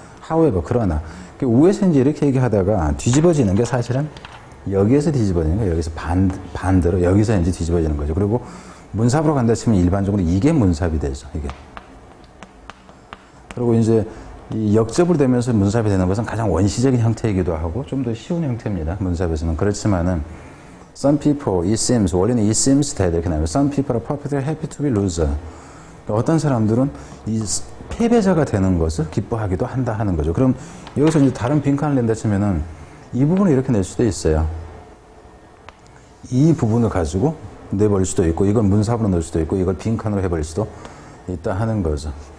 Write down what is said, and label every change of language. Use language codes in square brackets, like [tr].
[ko] However, 그러나 우에서 이제 이렇게 얘기하다가 뒤집어지는 게 사실은 여기에서 뒤집어지는 거예요. 여기서 반대로 여기서 이제 뒤집어지는 거죠. 그리고 문삽으로 간다 치면 일반적으로 이게 문삽이 되죠. 이게. 그리고 이제 이 역접을 대면서 문삽이 되는 것은 가장 원시적인 형태이기도 하고 좀 더 쉬운 형태입니다. 문삽에서는. 그렇지만은 [en] some people, it seems, [ko] 원래는 [en] it seems that [ko] 이렇게 나면 [en] some people are perfectly happy to be loser. [ko] 어떤 사람들은 이 패배자가 되는 것을 기뻐하기도 한다 하는 거죠. 그럼 여기서 이제 다른 빈칸을 낸다 치면은 이 부분을 이렇게 낼 수도 있어요. 이 부분을 가지고 내버릴 수도 있고 이걸 문사부로 넣을 수도 있고 이걸 빈칸으로 해버릴 수도 있다 하는 거죠.